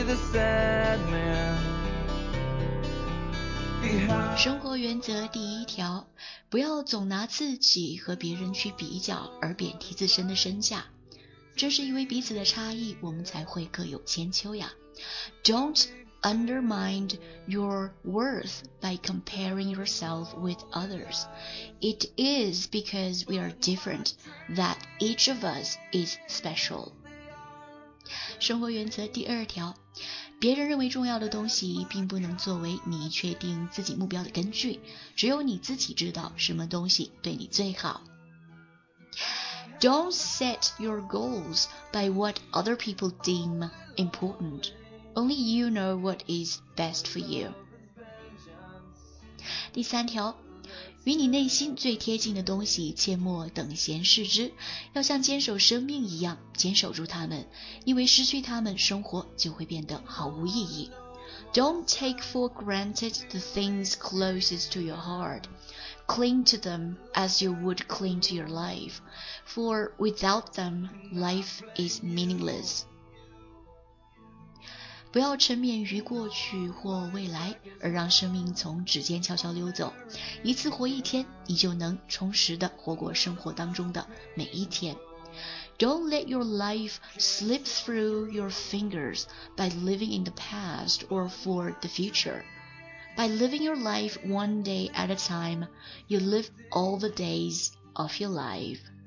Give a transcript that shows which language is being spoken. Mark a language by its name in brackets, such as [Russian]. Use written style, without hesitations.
[English] sad man. [Chinese] 生活原则第一条，不要总拿自己和别人去比较而贬低自身的身价，正是因为彼此的差异，我们才会各有千秋呀。 [English] Don't undermine your worth by comparing yourself with others. It is because we are different that each of us is special. [Chinese] 生活原则第二条，别人认为重要的东西并不能作为你确定自己目标的根据，只有你自己知道什么东西对你最好。 [English] Don't set your goals by what other people deem important. Only you know what is best for you. [Chinese] 第三条，与你内心最贴近的东西切莫等闲视之，要像坚守生命一样坚守住它们，因为失去它们生活就会变得毫无意义。 [English] Don't take for granted the things closest to your heart. Cling to them as you would cling to your life. For without them, life is meaningless. [Chinese] 不要沉湎于过去或未来，而让生命从指尖悄悄溜走，一次活一天，你就能充实地活过生活当中的每一天。 [English] Don't let your life slip through your fingers by living in the past or for the future. By living your life one day at a time, you live all the days of your life.